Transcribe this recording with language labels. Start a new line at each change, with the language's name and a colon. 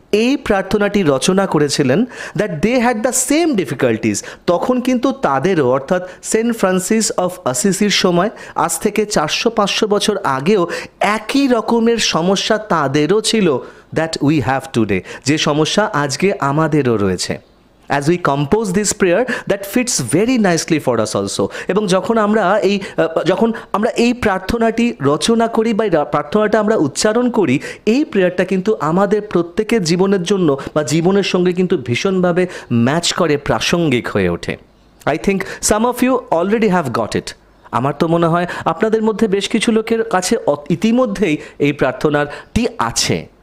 Bangla: এই প্রার্থনাটি রচনা করেছিলেন,
English: that they had the same difficulties,
Bangla: তখন কিন্তু তাদেরও অর্থাৎ সেন্ট ফ্রান্সিস অফ আসিসির সময় আজ থেকে 400-500 বছর আগেও একই রকমের সমস্যা তাদেরও ছিল,
English: that we have today,
Bangla: যে সমস্যা আজকে আমাদেরও রয়েছে।
English: As we compose this prayer, that fits very nicely for us also.
Bangla: এবং যখন আমরা এই প্রার্থনাটি রচনা করি বা প্রার্থনাটা আমরা উচ্চারণ করি, এই প্রেয়ারটা কিন্তু আমাদের প্রত্যেকের জীবনের জন্য বা জীবনের সঙ্গে কিন্তু ভীষণভাবে ম্যাচ করে, প্রাসঙ্গিক হয়ে ওঠে।
English: I think some of you already have got it,
Bangla: আমার তো মনে হয় আপনাদের মধ্যে বেশ কিছু লোকের কাছে ইতিমধ্যেই এই প্রার্থনাটি আছে।